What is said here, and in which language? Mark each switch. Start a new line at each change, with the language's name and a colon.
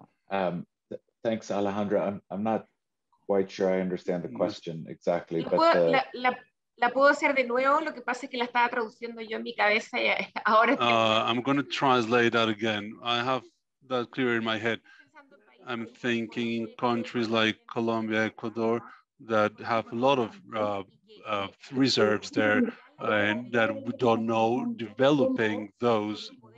English: Thanks, Alejandra. I'm not quite sure I understand the question exactly. But
Spanish: La puedo hacer de nuevo, lo que pasa es que la estaba traduciendo yo en mi cabeza y ahora
English: I'm going to translate that again. I have that clear in my head. I'm thinking countries like Colombia, Ecuador, that have a lot of reserves there and that we don't know developing those.